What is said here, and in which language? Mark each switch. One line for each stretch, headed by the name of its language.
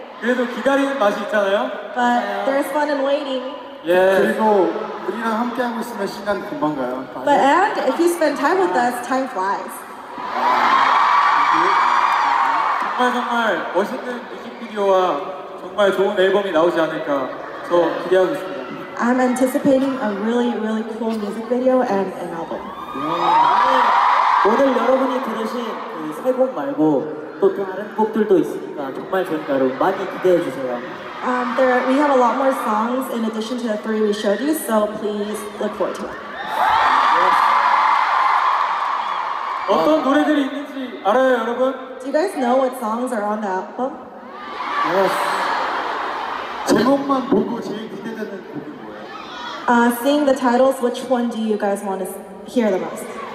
Korean: 그래도 기다리는 맛이 있잖아요.
English: But there's fun in waiting. Yeah.
Korean: 그리고 우리랑 함께하고 있으면 시간 금방 가요.
English: But and if you spend time with us, time flies.
Korean: 정말 정말 멋있는 뮤직비디오와 정말 좋은 앨범이 나오지 않을까 저 기대하고 있습니다.
English: I'm anticipating a really really cool music video and an album.
Korean: 오늘 여러분이 들으신 세 곡 말고 또 다른 곡들도 있으니까 정말 좋으니까 여러분 많이 기대해 주세요.
English: We have a lot more songs in addition to the 3 we showed you, so please look forward to it.
Korean: 어떤 노래들이 있는지 알아요, 여러분?
English: Do you guys know what songs are on the album? Yes.
Korean: 제목만 보고 제일 기대되는 곡이 뭐예요?
English: Seeing the titles, which one do you guys want to hear the most?